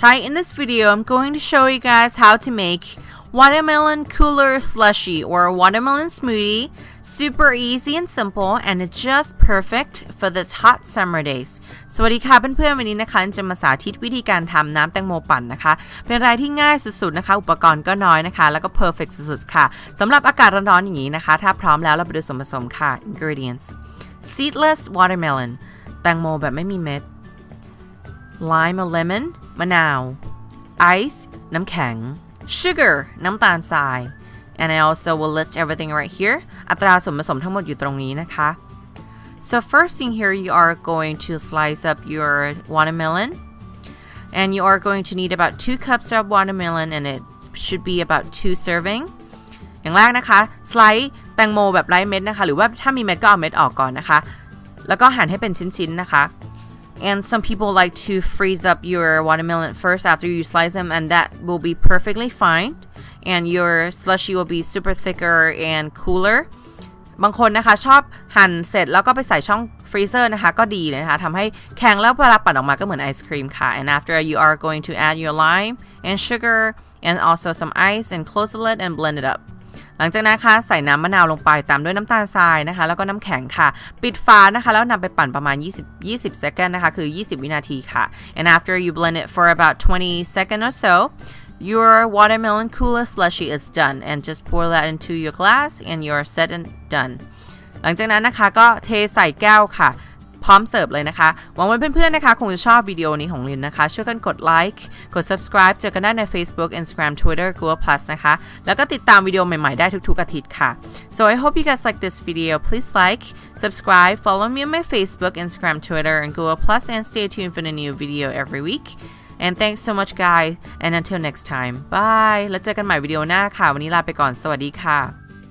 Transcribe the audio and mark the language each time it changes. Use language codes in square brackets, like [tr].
[en] Hi, in this video, I'm going to show you guys how to make watermelon cooler slushy or watermelon smoothie. Super easy and simple, and it's just perfect for this hot summer days. [th] สวัสดีค่ะเพื่อนๆวันนี้นะคะจะมาสาธิตวิธีการทำน้ำแตงโมปั่นนะคะเป็นรายที่ง่ายสุดๆนะคะอุปกรณ์ก็น้อยนะคะแล้วก็เพอร์เฟคสุดๆค่ะสำหรับอากาศร้อนๆอย่างนี้นะคะถ้าพร้อมแล้วเราไปดูส่วนผสมค่ะ [en] ingredients seedless watermelon [th] แตงโมแบบไม่มีเม็ด [en] Lime or lemon, [th] มะนาว ice, น้ำแข็ง sugar, น้ำตาลทราย [en] and I also will list everything right here. [th] อัตราส่วนผสมทั้งหมดอยู่ตรงนี้นะคะ [en] So first thing here, you are going to slice up your watermelon. And you are going to need about 2 cups of watermelon and it should be about 2 serving. [th] อย่างแรกนะคะ slice แตงโมแบบไร้เม็ดนะคะหรือว่าถ้ามีเม็ดก็เอาเม็ดออกก่อนนะคะแล้วก็หั่นให้เป็นชิ้นๆนะคะ [en] And some people like to freeze up your watermelon first after you slice them, and that will be perfectly fine. And your slushy will be super thicker and cooler. [th] บางคนนะคะชอบหั่นเสร็จแล้วก็ไปใส่ช่องฟรีเซอร์นะคะก็ดีนะคะทำให้แข็งแล้วเวลาปั่นออกมาก็เหมือนไอศครีมค่ะ [en] And after you are going to add your lime and sugar and also some ice and close the lid and blend it up. [th] หลังจากนั้นค่ะใส่น้ำมะนาวลงไปตามด้วยน้ำตาลทรายนะคะแล้วก็น้ำแข็งค่ะปิดฝานะคะแล้วนำไปปั่นประมาณ20 second นะคะคือ20วินาทีค่ะ [en] and after you blend it for about 20 second or so your watermelon cooler slushy is done and just pour that into your glass and you're set and done [th] หลังจากนั้นนะคะก็เทใส่แก้วค่ะพร้อมเสิร์ฟเลยนะคะหวังว่าเพื่อนๆนะคะคงจะชอบวิดีโอนี้ของลินนะคะช่วยกันกดไลค์กด Subscribe เจอกันได้ใน Facebook Instagram Twitter Google Plus นะคะแล้วก็ติดตามวิดีโอใหม่ๆได้ทุกๆอาทิตย์ค่ะ [en] So I hope you guys like this video please like subscribe follow me on my Facebook Instagram Twitter and Google Plus and stay tuned for the new video every week and thanks so much guys and until next time bye [th] แล้วเจอกันใหม่วิดีโอหน้าค่ะวันนี้ลาไปก่อนสวัสดีค่ะ